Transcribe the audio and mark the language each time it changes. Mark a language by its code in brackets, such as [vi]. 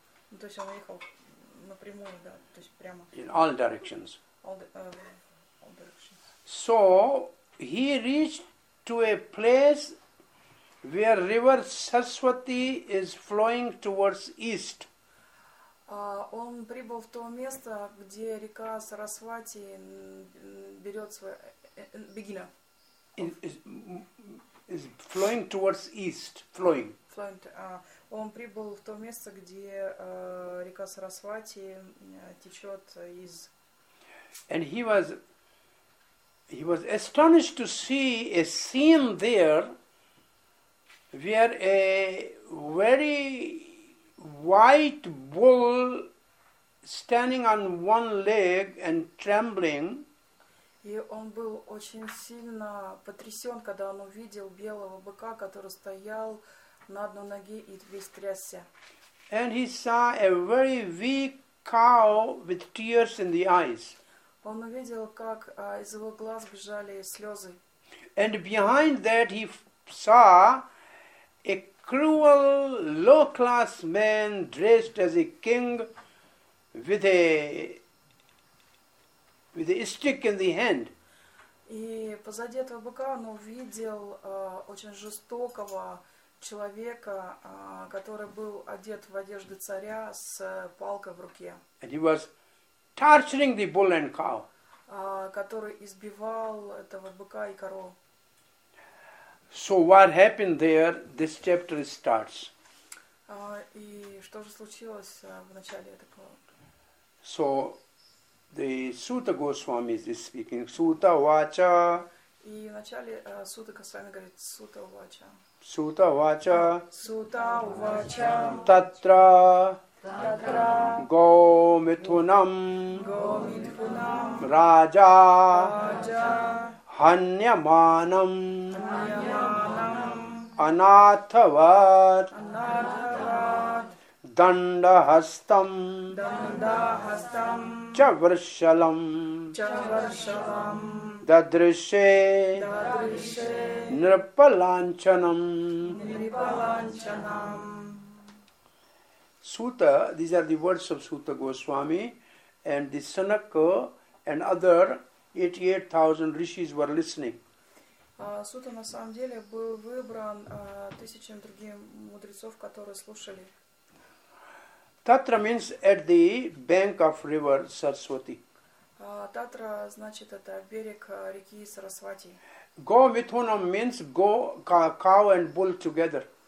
[ru] Ну, то есть он уехал напрямую, да, то есть прямо. [en] In all directions. All directions. So he reached to a place where river Saraswati is flowing towards east. [ru] Он прибыл в то место, где река Сарасвати берет свое бегиня. [en] Is flowing towards east, flowing. Flowing. [ru] Он прибыл в то место, где река Сарасвати течет из. [en] And he was astonished to see a scene there, where a very white bull standing on one leg and trembling. [ru] И он был очень сильно потрясен, когда он увидел белого быка, который стоял на одной ноге и весь трясся. [en] And he saw a very weak cow with tears in the eyes. [ru] Он увидел, как из его глаз бежали слезы. [en] And behind that he saw a cruel, low-class man dressed as a king with a stick in the hand. [ru] И позади этого быка он увидел очень жестокого человека, который был одет в одежды царя с палкой в руке. [en] And he was torturing the bull and cow. [ru] Который избивал этого быка и корову. [en] So what happened there, this chapter starts. [ru] И что же случилось в начале этого? [en] So the Suta Goswami is speaking. [sa] Suta Vacha. [ru] И в начале Сута Госвами говорит [sa] Suta Vacha. Suta Vacha. Suta Vacha. Tatra. Tatra. Go Mithunam. Go Mithunam. Raja. Raja. Hanyamanam. Hanyamanam. Anathavat. Anathavat. Dandahastam. Dandahastam. Chavarshalam. Chavarshalam. Dadrishe. Dadrishe. Nirpalanchanam. Nirpalanchanam. [en] Suta, these are the words of Suta Goswami, and the Sanaka and other 88,000 rishis were listening. [ru] Сута на самом деле был выбран тысячами других мудрецов, которые слушали. [en] Tatra means at the bank of river Saraswati. [ru] Tatra значит это берег реки Сарасвати. [en] Go Mithunam means go cow and bull together.